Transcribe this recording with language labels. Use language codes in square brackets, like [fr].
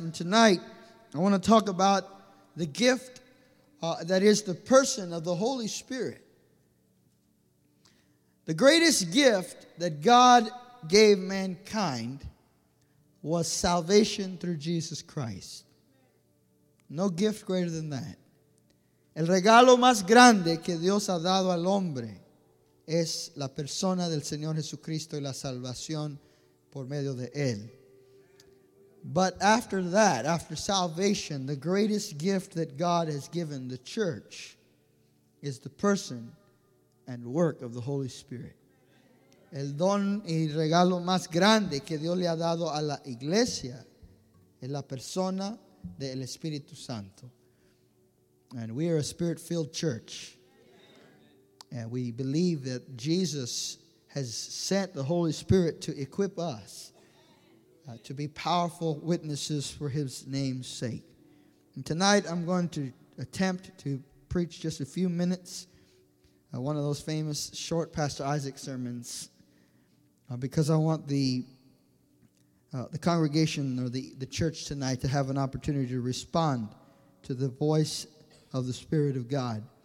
[en] And tonight, I want to talk about the gift that is the person of the Holy Spirit. The greatest gift that God gave mankind was salvation through Jesus Christ. No gift greater than that. [es] El regalo más grande que Dios ha dado al hombre es la persona del Señor Jesucristo y la salvación por medio de él. [en] But after that, after salvation, the greatest gift that God has given the church is the person and work of the Holy Spirit. [es] El don y regalo más grande que Dios le ha dado a la iglesia es la persona del Espíritu Santo. [en] And we are a Spirit-filled church. And we believe that Jesus has sent the Holy Spirit to equip us to be powerful witnesses for his name's sake. And tonight I'm going to attempt to preach just a few minutes, one of those famous short Pastor Isaac sermons, because I want the congregation or the church tonight to have an opportunity to respond to the voice of the Spirit of God.